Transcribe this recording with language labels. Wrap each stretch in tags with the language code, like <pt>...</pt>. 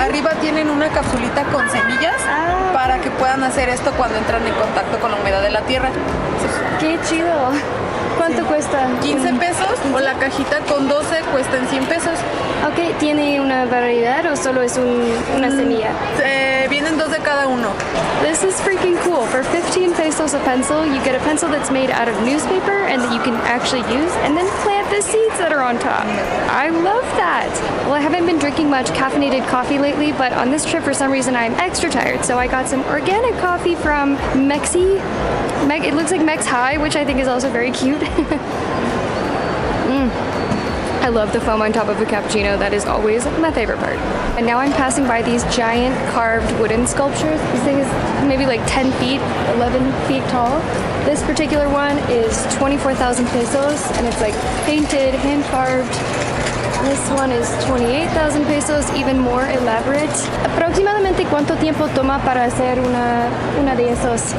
<es>Arriba tienen una capsulita con semillas para que puedan hacer esto cuando entran en contacto con la humedad de la tierra. ¡Qué chido! ¿Cuánto cuesta? 15 pesos, o la cajita con 12 cuesta en 100 pesos. Ok, ¿tiene una variedad o solo es una semilla? Vienen dos de cada uno.</es> <en>This is freaking cool. For 15 pesos a pencil, you get a pencil that's made out of newspaper and that you can actually use, and then plant the seeds that are on top. I love that. Well, I haven't been drinking much caffeinated coffee lately, but on this trip, for some reason, I'm extra tired. So I got some organic coffee from Mexi. It looks like Mex High, which I think is also very cute. I love the foam on top of a cappuccino. That is always my favorite part. And now I'm passing by these giant carved wooden sculptures. This thing is maybe like 10 feet, 11 feet tall. This particular one is 24,000 pesos, and it's like painted, hand-carved. This one is 28,000 pesos, even more elaborate.</en> <es>Aproximadamente cuánto tiempo toma para hacer una de esos?</es>